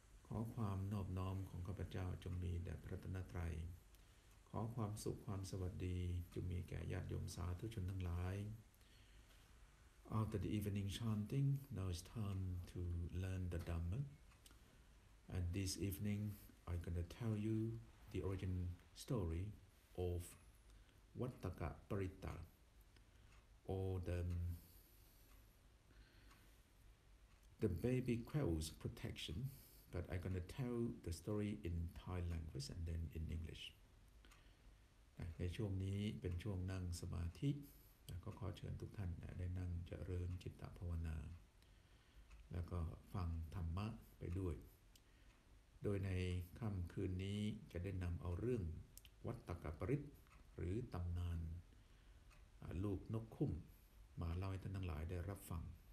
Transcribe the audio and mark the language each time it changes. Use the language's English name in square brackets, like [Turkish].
[Thai] ขอความนอบน้อมของข้าพเจ้าจงมีแด่พระรัตนตรัยขอความสุขความสวัสดีจงมีแก่ญาติโยมสาธุชนทั้งหลาย [English] After the evening chanting, now it's time to learn the Dhamma. And this evening, I'm going to tell you the originstory of Vattaka Paritta or the baby quail's protection, but I'm going to tell the story in Thai language and then in English. [Thai] ในช่วงนี้เป็นช่วงนั่งสมาธิก็ขอเชิญทุกท่านได้นั่งเจริญจิตตภาวนาแล้วก็ฟังธรรมะไปด้วยโดยในค่ำคืนนี้จะได้นำเอาเรื่องวัตตกปริตหรือตำนานลูกนกคุ้มมาเล่าให้ท่านทั้งหลายได้รับฟัง